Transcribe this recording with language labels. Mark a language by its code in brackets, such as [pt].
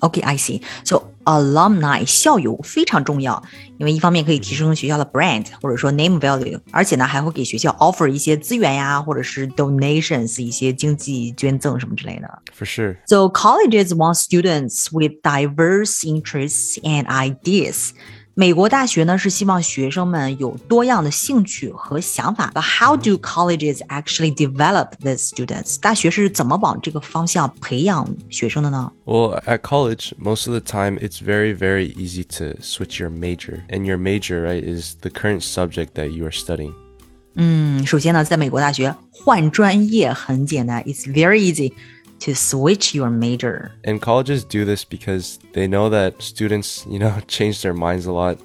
[en] Okay, I see. So alumni, [zh] 校友非常重要，因为一方面可以提升学校的 brand 或者说 [en] name value, [zh] 而且呢还会给学校 offer 一些资源呀，或者是 donations, 一些经济捐赠什么之类的。 [en] For sure. So colleges want students with diverse interests and ideas. [zh] 美国大学呢是希望学生们有多样的兴趣和想法。 [en] But how do colleges actually develop the students? [zh] 大学是怎么往这个方向培养学生的呢？ [en] Well, at college, most of the time, it's very, very easy to switch your major. And your major, right, is the current subject that you are studying. [zh] 首先呢在美国大学换专业很简单 [en] It's very easy to switch your major. And colleges do this because they know that students, you know, change their minds a lot.